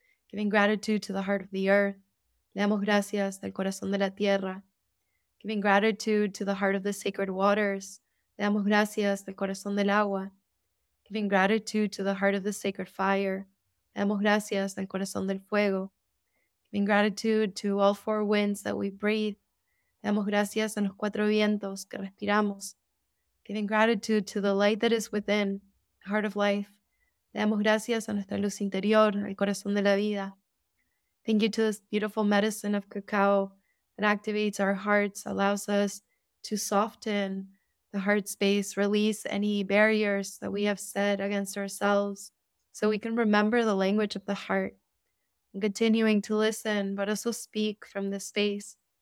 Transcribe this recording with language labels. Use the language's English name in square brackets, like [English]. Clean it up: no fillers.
[English] Giving gratitude to the heart of the earth. [Spanish] Damos gracias al corazón de la tierra. [English] Giving gratitude to the heart of the sacred waters. [Spanish] Damos gracias al corazón del agua. [English] Giving gratitude to the heart of the sacred fire. [Spanish] Damos gracias al corazón del fuego. [English] Giving gratitude to all four winds that we breathe. [Spanish] Damos gracias a los cuatro vientos que respiramos. [English] Giving gratitude to the light that is within, the heart of life. [Spanish] Damos gracias a nuestra luz interior, al corazón de la vida. [English] Thank you to this beautiful medicine of cacao that activates our hearts, allows us to soften the heart space, release any barriers that we have set against ourselves so we can remember the language of the heart and continuing to listen, but also speak from this space.